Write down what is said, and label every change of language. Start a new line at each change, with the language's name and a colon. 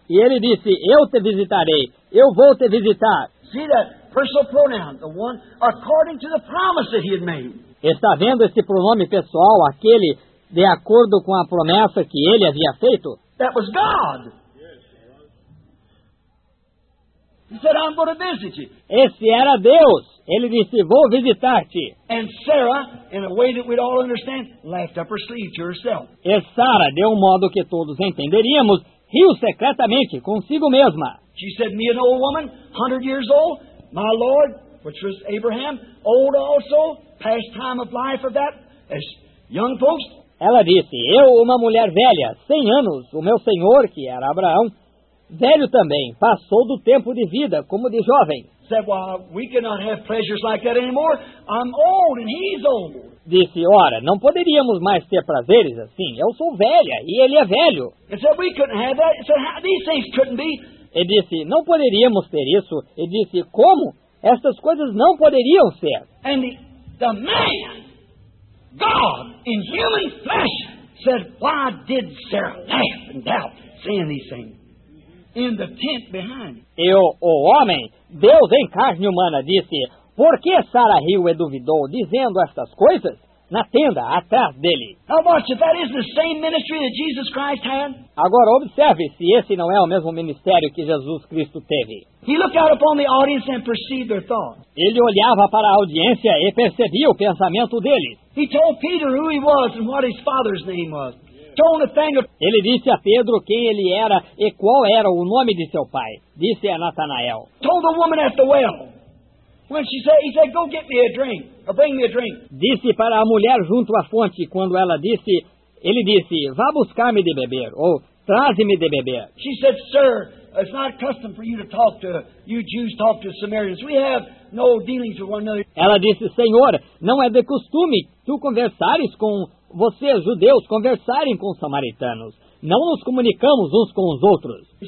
Portuguese: E ele disse, eu te visitarei. Eu vou te visitar.
English: See that? personal pronoun, the one according to the promise that he had made.
Portuguese: Está vendo esse pronome pessoal, aquele de acordo com a promessa que ele havia feito?
English: That was God. He said, I'm going to visit you.
Portuguese: Esse era Deus. Ele disse, vou visitar-te.
English: And Sarah, in a way that we'd all understand, laughed up her sleeve to herself.
Portuguese: E Sarah, de um modo que todos entenderíamos, riu secretamente consigo mesma.
English: She said, me an old woman, 100 years old, my Lord, which was Abraham, old also, past time of life of that, as young folks.
Portuguese: Ela disse, eu, uma mulher velha, 100 anos, o meu senhor, que era Abraão, velho também, passou do tempo de vida, como de jovem.
English: Said, well, we cannot have pleasures like that anymore. I'm old and he's old.
Portuguese: Disse, ora, não poderíamos mais ter prazeres assim. Eu sou velha e ele é velho.
English: Said, we couldn't have that. Said, how, these things couldn't be.
Portuguese: E disse, não poderíamos ter isso. E disse, como? Estas coisas não poderiam ser.
English: And the man, God, in human flesh, said, why did Sarah laugh and doubt saying these things? In the tent behind.
Portuguese: E o homem, Deus em carne humana, disse, por que Sara riu e duvidou, dizendo estas coisas, na tenda, atrás dele?
English: Now watch, if that isn't the same ministry that Jesus Christ had.
Portuguese: Agora observe, se esse não é o mesmo ministério que Jesus Cristo teve.
English: He looked out upon the audience and perceived their thoughts.
Portuguese: Ele olhava para a audiência e percebia o pensamento deles.
English: He told Peter who he was and what his father's name was.
Portuguese: Ele disse a Pedro quem ele era e qual era o nome de seu pai. Disse a Natanael.
English: Told the woman at the well. When she said, he said, go get me a drink. Or bring me a drink.
Portuguese: Disse para a mulher junto à fonte quando ela disse, ele disse, vá buscar-me de beber ou traze-me de beber.
English: She said, sir, it's not custom for you to talk to you Jews talk to Samaritans. We have no dealings with one another.
Portuguese: Ela disse, Senhor, não é de costume tu conversares com vocês, judeus, conversarem com os samaritanos. Não nos comunicamos uns com os outros.